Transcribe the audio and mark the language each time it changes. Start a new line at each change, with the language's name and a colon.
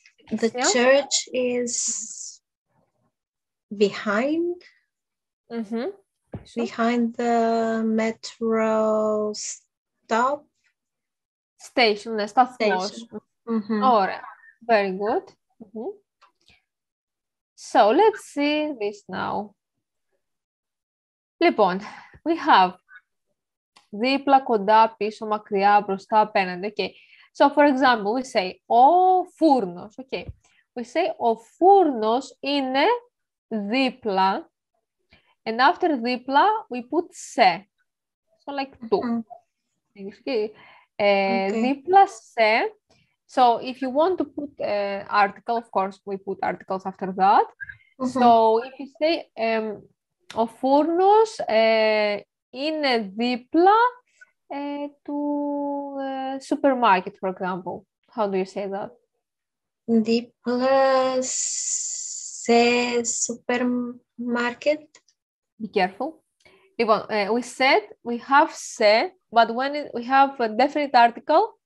English: The church is behind the metro stop. Station,
Greek: ναι, σταθμός. Mm-hmm. Ωραία.
English: Very good. Mm-hmm. So, let's see this now.
Greek: Λοιπόν,
English: we have
Greek: δίπλα, κοντά, πίσω, μακριά, μπροστά, απέναντι.
English: Okay. So, for example, we say, ο φούρνος. Okay. We say,
Greek: ο φούρνος είναι δίπλα.
English: And after δίπλα, we put σε. So, like, two. Mm-hmm. Okay.
Greek: Δίπλα σε.
English: So, if you want to put an article, of course, we put articles after that. Mm-hmm. So, if you say,
Greek: ο φούρνος είναι δίπλα του
English: supermarket, for example. How do you say that?
Greek: Δίπλα σε supermarket.
English: Be careful. Λοιπόν, we said, we have σε, but when we have a definite article,